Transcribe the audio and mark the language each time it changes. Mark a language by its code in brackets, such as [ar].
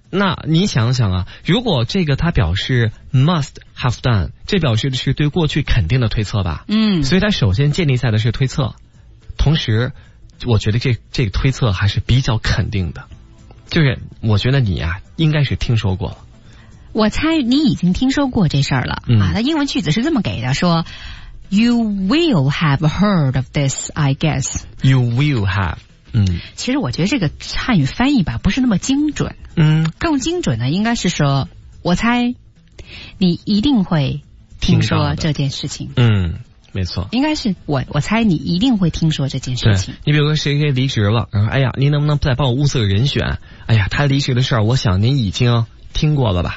[zh] 那你想想啊，如果这个它表示 [en] must have done， [zh] 这表示的是对过去肯定的推测吧。嗯，所以它首先建立在的是推测，同时我觉得这个推测还是比较肯定的，就是我觉得你啊应该是听说过了。我猜你已经听说过这事儿了。嗯，啊，那英文句子是这么给的，说 [en] you will have heard of this I guess。 you will have。 嗯， [zh] 其实我觉得这个汉语翻译吧不是那么精准。嗯，更精准呢应该是说我猜你一定会听说这件事情。嗯，没错，应该是我猜你一定会听说这件事情。你比如说谁给离职了，然后哎呀您能不能再帮我物色个人选，哎呀他离职的事儿我想您已经听过了吧。